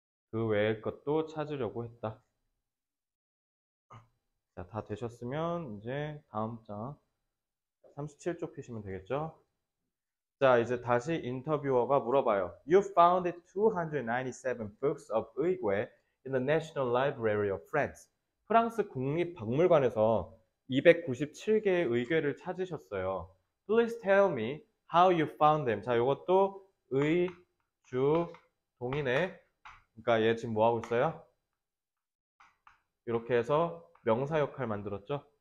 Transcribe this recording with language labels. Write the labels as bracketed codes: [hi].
[ko] 그 외의 것도 찾으려고 했다. 자, 다 되셨으면 이제 다음 장 37쪽 펴시면 되겠죠? 자, 이제 다시 인터뷰어가 물어봐요. [en] You found 297 books of 의궤 in the National Library of France. [ko] 프랑스 국립박물관에서 297개의 의궤를 찾으셨어요. [en] Please tell me how you found them. [ko] 자, 이것도 의, 주, 동의네. 그러니까 얘 지금 뭐 하고 있어요? 이렇게 해서 명사 역할 만들었죠?